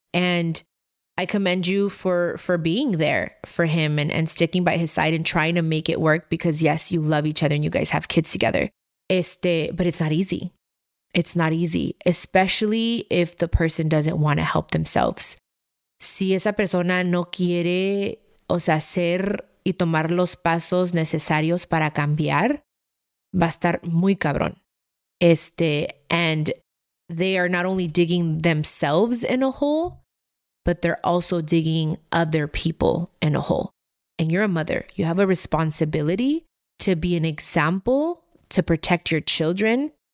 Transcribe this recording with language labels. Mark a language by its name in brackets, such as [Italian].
[English] And I commend you for being there for him and sticking by his side and trying to make it work because yes, you love each other and you guys have kids together. But it's not easy. It's not easy, especially if the person doesn't want to help themselves. [Spanish] Si esa persona no quiere, o sea, hacer y tomar los pasos necesarios para cambiar, va a estar muy cabrón. [English] And they are not only digging themselves in a hole, but they're also digging other people in a hole. And you're a mother. You have a responsibility to be an example, to protect your children.